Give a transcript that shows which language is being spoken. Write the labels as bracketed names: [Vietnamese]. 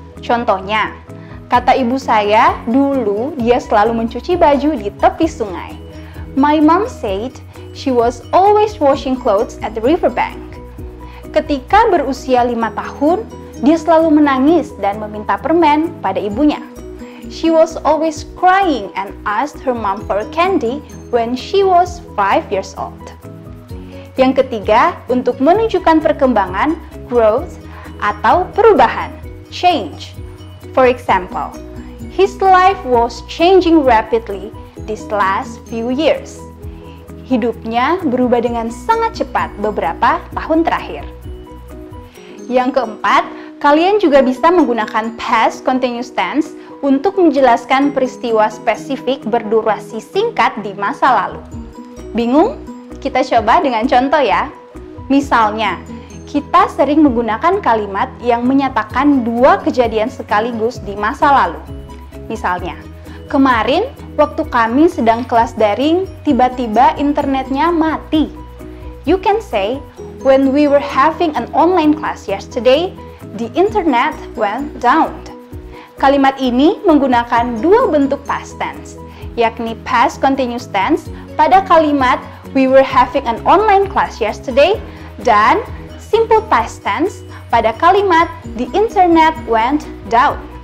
[Indonesian] Contohnya, kata ibu saya, dulu dia selalu mencuci baju di tepi sungai. [English] My mom said she was always washing clothes at the riverbank. [Indonesian] Ketika berusia 5 tahun, dia selalu menangis dan meminta permen pada ibunya. [English] She was always crying and asked her mom for candy when she was 5 years old. [Indonesian] Yang ketiga, untuk menunjukkan perkembangan, growth, atau perubahan, change. [English] For example, his life was changing rapidly these last few years. [Indonesian] Hidupnya berubah dengan sangat cepat beberapa tahun terakhir. Yang keempat, kalian juga bisa menggunakan past continuous tense untuk menjelaskan peristiwa spesifik berdurasi singkat di masa lalu. Bingung? Kita coba dengan contoh ya. Misalnya, kita sering menggunakan kalimat yang menyatakan 2 kejadian sekaligus di masa lalu. Misalnya, kemarin waktu kami sedang kelas daring, tiba-tiba internetnya mati. [English] You can say, when we were having an online class yesterday, the internet went down. [Indonesian] Kalimat ini menggunakan dua bentuk past tense, yakni past continuous tense pada kalimat [English] we were having an online class yesterday [Indonesian] dan simple past tense pada kalimat [English] the internet went down.